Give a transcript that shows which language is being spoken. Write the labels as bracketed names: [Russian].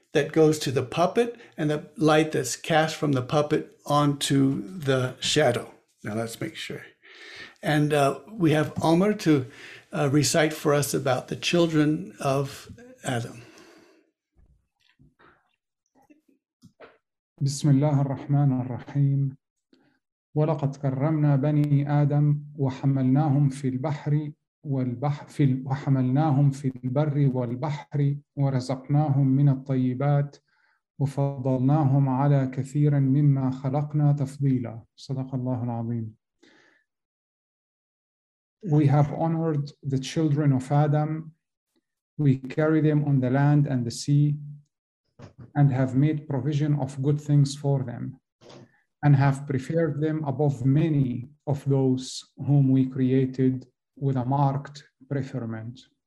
[English] that goes to the puppet and the light that's cast from the puppet onto the shadow. Now let's make sure. And we have Omer to recite for us about the children of Adam. [Arabic] بسم الله الرحمن الرحيم ولقد كرمنا بني آدم وحملناهم في البحر وحملناهم في البر والبحر ورزقناهم من الطيبات وفضلناهم على كثير مما خلقنا تفضيلا صدق الله العظيم. [English] We have honored the children of Adam, we carry them on the land and the sea, and have made provision of good things for them, and have preferred them above many of those whom we created with a marked preferment.